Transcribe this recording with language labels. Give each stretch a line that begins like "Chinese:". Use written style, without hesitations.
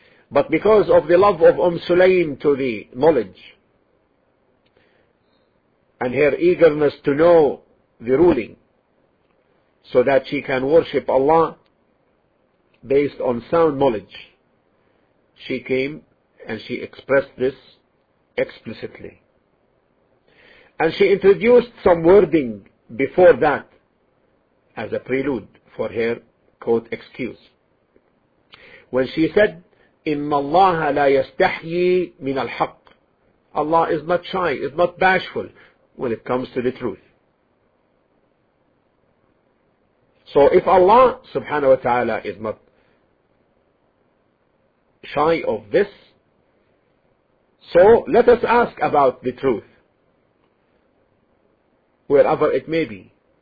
English: But because of the love of Sulaym to the knowledge and her eagerness to know the ruling so that she can worship Allah based on sound knowledge, she came and she expressed this explicitly. And she introduced some wording before that as a prelude for her, quote, excuse. When she said,
Arabic: إِنَّ اللَّهَ لَا يَسْتَحْيِي مِنَ الْحَقِّ.
English: Allah is not shy, is not bashful when it comes to the truth. So if Allah subhanahu wa ta'ala is not shy of this, so let us ask about the truth, wherever it may be.